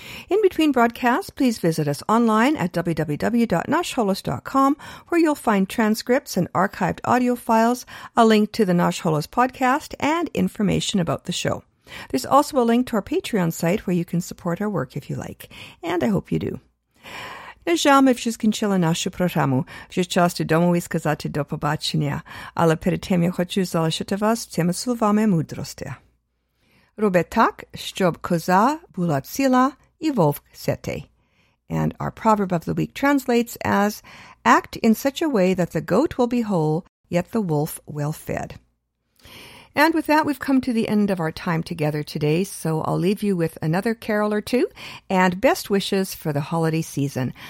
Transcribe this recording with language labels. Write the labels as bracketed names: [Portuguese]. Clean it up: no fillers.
[English] In between broadcasts, please visit us online at www.nashholos.com, where you'll find transcripts and archived audio files, a link to the Nash Holos podcast, and information about the show. There's also a link to our Patreon site where you can support our work if you like, and I hope you do. [Ukrainian] На жаль, ми вже скінчили нашу програму. Вже час додому і сказати до побачення. Але перед тим я хочу залишити вас цими словами мудрості. Роби так, щоб коза була ціла і вовк ситий. [English] And our proverb of the week translates as, act in such a way that the goat will be whole, yet the wolf well fed. And with that, we've come to the end of our time together today, so I'll leave you with another carol or two, and best wishes for the holiday season.